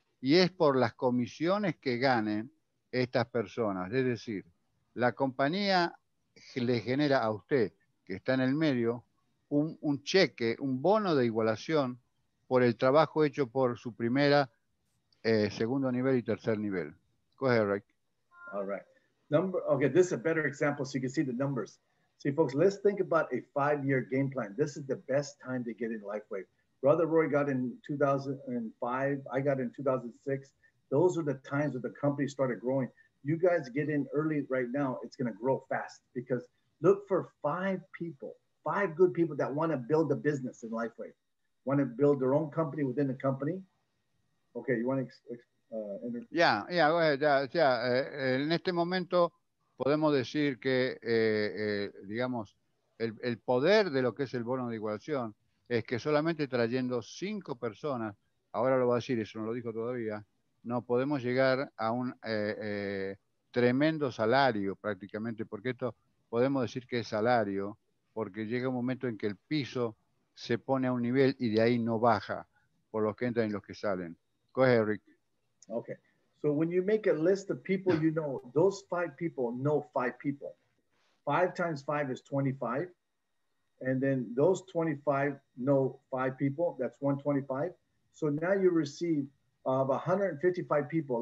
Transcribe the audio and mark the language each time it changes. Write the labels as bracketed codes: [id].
[es] Y es por las comisiones que ganen estas personas. Es decir, la compañía le genera a usted, que está en el medio, un cheque, un bono de igualación por el trabajo hecho por su primera, segundo nivel y tercer nivel. [en] Go ahead, Rick. All right. Okay, this is a better example so you can see the numbers. See, folks, let's think about a five-year game plan. This is the best time to get in LifeWave. Brother Roy got in 2005. I got in 2006. Those are the times when the company started growing. You guys get in early right now. It's going to grow fast because look for five people, five good people that want to build a business in LifeWave, want to build their own company within the company. Okay, you want to... [es] Yeah. En este momento... Podemos decir que, digamos, el poder de lo que es el bono de igualación es que solamente trayendo cinco personas, ahora lo va a decir, eso no lo dijo todavía, no podemos llegar a un tremendo salario prácticamente, porque esto podemos decir que es salario, porque llega un momento en que el piso se pone a un nivel y de ahí no baja. por los que entran y los que salen. [en] Go ahead, Rick. Okay. So when you make a list of people, you know, those five people know five people. Five times five is 25. And then those 25 know five people. That's 125. So now you receive of 155 people.